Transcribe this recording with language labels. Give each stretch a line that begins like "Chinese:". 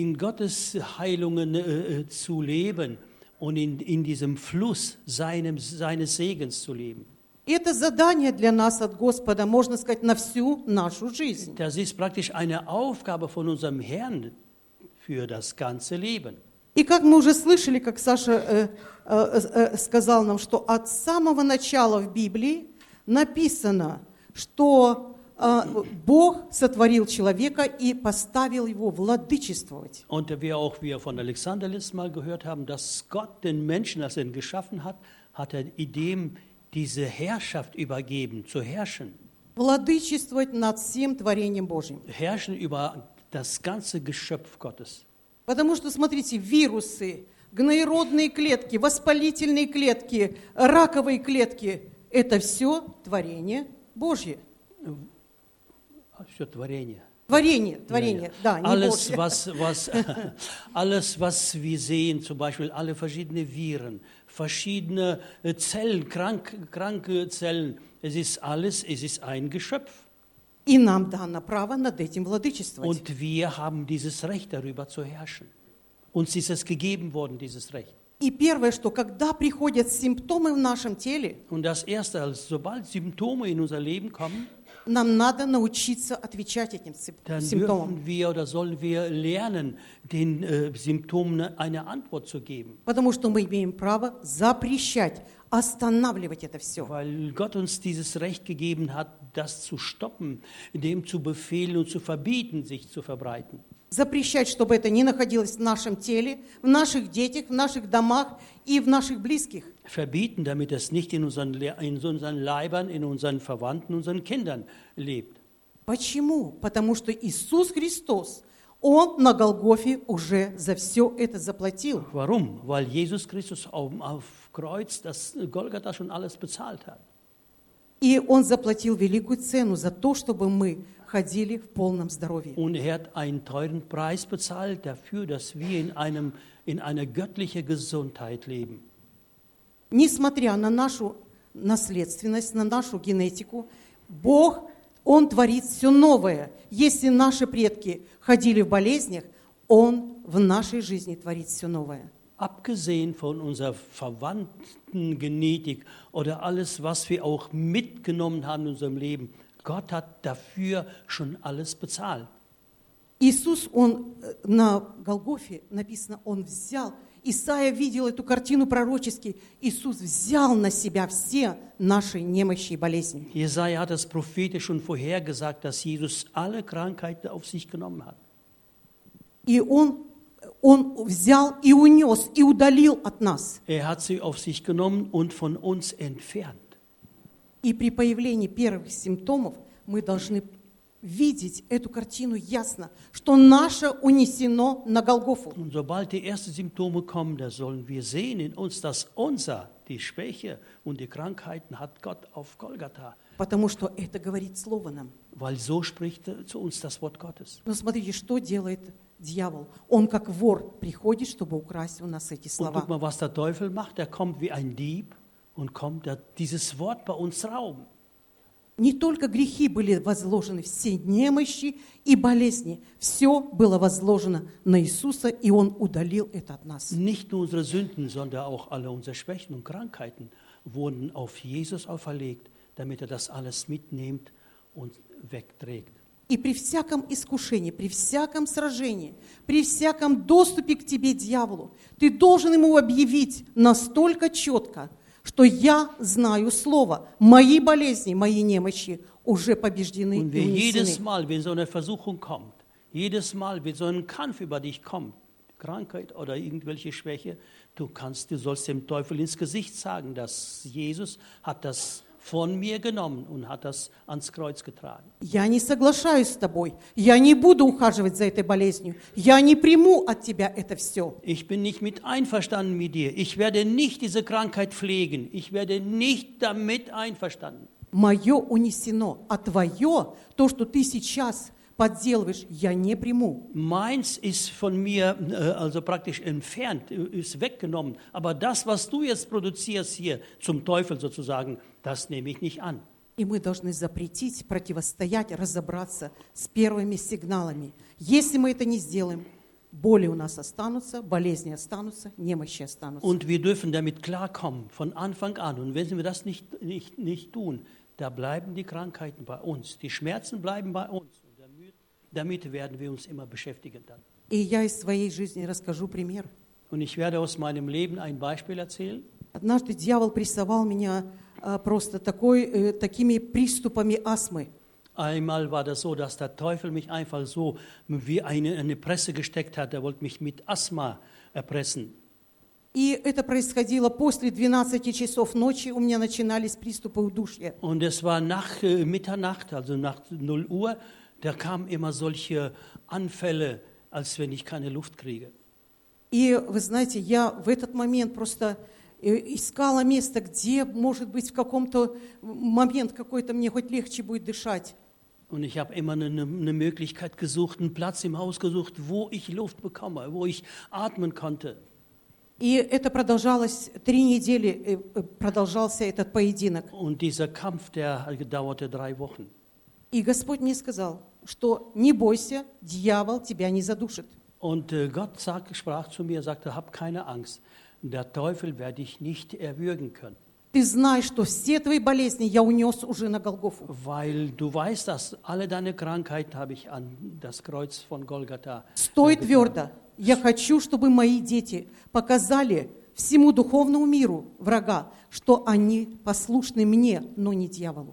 German: In Gottes Heilungen zu leben. Und in diesem Fluss seines Segens zu leben.
Russian: Это задание для нас от Господа, можно сказать, на всю нашу жизнь.
German: Das ist praktisch eine Aufgabe von unserem Herrn für das ganze Leben.
Russian: И как мы уже слышали, как Саша сказал нам, что от самого начала в Библии написано, что Бог сотворил человека и поставил его владычествовать.
German: Und wie wir von Alexander letztes Mal gehört haben, dass Gott den Menschen, als er ihn geschaffen hat, hat er ihm diese Herrschaft übergeben, zu herrschen.
Russian: Владычествовать над всем творением Божьим.
German: Herrschen über das ganze Geschöpf Gottes.
Russian: Потому что, смотрите, вирусы, гноеродные клетки, воспалительные клетки, раковые клетки – это все творение Божье. Все творение. Творение, да, не
German: alles,
Russian: Божье.
German: Alles, was wir sehen, zum Beispiel alle verschiedene Viren, verschiedene Zellen, kranke Zellen, es ist alles, es ist ein Geschöpf.
Russian: И нам дано право над этим владычествовать.
German: Und wir haben dieses Recht, darüber zu herrschen. Uns ist es gegeben worden, dieses Recht.
Russian: И первое, что когда приходят симптомы в нашем теле,
German: und das Erste, als sobald Symptome in unser Leben kommen,
Russian: нам надо научиться отвечать этим симптомам.
German: Wir, oder sollen wir lernen, den Symptomen eine Antwort zu geben?
Russian: Потому что мы имеем право запрещать, останавливать это все.
German: Weil Gott uns dieses Recht gegeben hat, das zu stoppen, dem zu befehlen und zu verbieten, sich zu verbreiten.
Russian: Запрещать, чтобы это не находилось в нашем теле, в наших детях, в наших домах и в наших близких.
German: Verbieten, damit es nicht in unseren Leibern, in unseren Verwandten, unseren Kindern lebt.
Russian: Почему? Потому что Иисус Христос, Он на Голгофе уже за все это заплатил.
German: Warum? Weil Jesus Christus auf Kreuz das Golgatha schon alles bezahlt hat.
Russian: И он заплатил великую цену за то, чтобы мы ходили в полном здоровье.
German: Und er hat einen teuren Preis bezahlt dafür, dass wir in einer göttlichen Gesundheit leben.
Russian: Несмотря на нашу наследственность, на нашу генетику, Бог, Он творит все новое. Если наши предки ходили в болезнях, Он в нашей жизни творит все новое.
German: Abgesehen von unserer verwandten Genetik oder alles, was wir auch mitgenommen haben in unserem Leben, Gott hat dafür schon alles bezahlt.
Russian: Иисус, Он на Голгофе написано, Он взял. Исаия видел эту картину пророчески. Иисус взял на себя все наши немощи и болезни.
German: Исаия hat es prophetisch schon vorhergesagt, dass Jesus alle Krankheiten auf sich genommen hat.
Russian: И он взял и унес, и удалил от нас.
German: Er hat sie auf sich genommen und von uns entfernt.
Russian: И при появлении первых симптомов мы должны видеть эту картину ясно, что наше унесено на Голгофу.
German: Und sobald die ersten Symptome kommen, da sollen wir sehen in uns, dass unser, die Schwäche und die Krankheiten hat Gott auf Golgatha.
Russian: Потому что это говорит Слово нам.
German: Weil so spricht zu uns das Wort Gottes.
Russian: Но смотрите, что делает дьявол. Он как вор приходит, чтобы украсть у нас эти слова.
German: Und guck mal, was der Teufel macht. Er kommt wie ein Dieb und kommt dieses Wort bei uns rauben.
Russian: Не только грехи были возложены, все немощи и болезни. Все было возложено на Иисуса, и Он удалил это от нас.
German: Nicht nur unsere Sünden, sondern auch alle unsere Schwächen und Krankheiten wurden auf Jesus auferlegt, damit das alles mitnimmt und wegträgt.
Russian: И при всяком искушении, при всяком сражении, при всяком доступе к тебе, дьяволу, ты должен ему объявить настолько четко, что я знаю слово. Мои болезни, мои немощи уже побеждены и унесены.
German: Jedes Mal, wenn so eine Versuchung kommt, jedes Mal, wenn so ein Kampf über dich kommt, Krankheit oder irgendwelche Schwäche, du sollst dem Teufel ins Gesicht sagen, dass Jesus hat das von mir genommen und hat das ans Kreuz getragen.
Russian: Я не соглашаюсь с тобой. Я не буду ухаживать за этой болезнью. Я не приму от тебя это все.
German: Ich bin nicht mit einverstanden mit dir. Ich werde nicht diese Krankheit pflegen. Ich werde nicht damit einverstanden.
Russian: Мое унесено, а твое, то, что ты сейчас подделываешь, я не приму.
German: Meins ist von mir also praktisch entfernt, ist weggenommen. Aber das, was du jetzt produzierst hier, zum Teufel sozusagen, das nehme ich nicht an.
Russian: И мы должны запретить, противостоять, разобраться с первыми сигналами. Если мы это не сделаем, боли у нас останутся, болезни останутся, немощи останутся.
German: Und wir dürfen damit klarkommen, von Anfang an. Und wenn wir das nicht tun, da bleiben die Krankheiten bei uns. Die Schmerzen bleiben bei uns. Damit werden wir uns immer beschäftigen dann.
Russian: И я из своей жизни расскажу пример.
German: Und ich werde aus meinem Leben ein Beispiel erzählen.
Russian: Однажды дьявол прессовал меня просто такими приступами астмы.
German: Einmal war das so, dass der Teufel mich einfach so wie eine Presse gesteckt hat. Er wollte mich mit Asthma erpressen.
Russian: И это происходило после 12 часов ночи, у меня начинались приступы удушья.
German: Und es war nach Mitternacht, also nach 0 Uhr, da kamen immer solche Anfälle, als wenn ich keine Luft kriege.
Russian: И вы знаете, я в этот момент просто искала место, где, может быть, в каком-то момент какой-то мне хоть легче будет дышать.
German: Und ich habe immer eine Möglichkeit gesucht, einen Platz im Haus gesucht, wo ich Luft bekomme, wo ich atmen konnte.
Russian: И это продолжалось 3 недели, продолжался этот поединок.
German: Und dieser Kampf, der dauerte 3 Wochen.
Russian: И Господь мне сказал, что не бойся, дьявол тебя не задушит.
German: Und Gott sprach zu mir, sagte, hab keine Angst. Der Teufel wird dich nicht erwürgen können.
Russian: Ты знаешь, что все твои болезни я унес уже на Голгофу.
German: Weil du weißt, dass alle deine Krankheiten habe ich an das Kreuz von Golgatha.
Russian: Стой твердо. Я хочу, чтобы мои дети показали всему духовному миру врага, что они послушны мне, но не дьяволу.